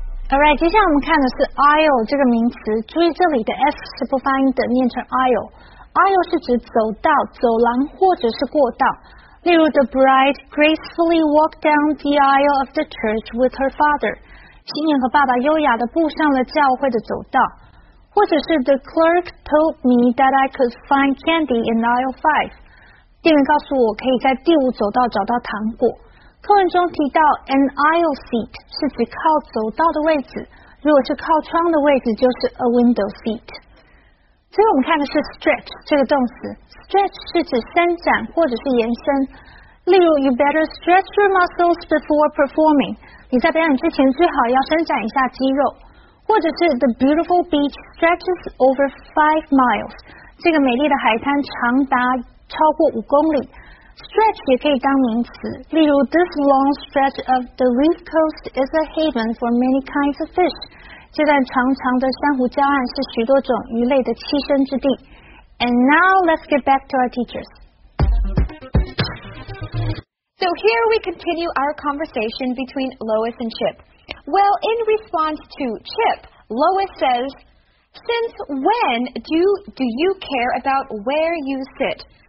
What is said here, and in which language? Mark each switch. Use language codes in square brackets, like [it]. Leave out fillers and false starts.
[en] All right, [zh] 接下来我们看的是 aisle 这个名词，注意这里的 s 是不发音的，念成 aisle。 Aisle 是指走道、走廊或者是过道。例如 [en] ，The bride gracefully walked down the aisle of the church with her father。 [zh] 新娘和爸爸优雅地步上了教会的走道。或者是 [en] ，The clerk told me that I could find candy in aisle 5。 [zh] 店员告诉我可以在第五走道找到糖果。课文中提到 [en] an aisle seat [zh] 是指靠走道的位置，如果是靠窗的位置就是 [en] a window seat。 [zh] 所以我们看的是 stretch 这个动词， stretch 是指伸展或者是延伸。例如 [en] you better stretch your muscles before performing， [zh] 你在表演之前最好要伸展一下肌肉。或者是 [en] the beautiful beach stretches over 5 miles， [zh] 这个美丽的海滩长达超过5公里。 [en] Stretch [zh] 也可以当名词，例如 [en] This long stretch of the reef coast is a haven for many kinds of fish。 [zh] 这段长长的珊瑚礁岸是许多种鱼类的栖身之地。 [en] And now let's get back to our teachers. So here we continue our conversation between Lois and Chip. Well, in response to Chip, Lois says, "Since when do you care about where you sit?"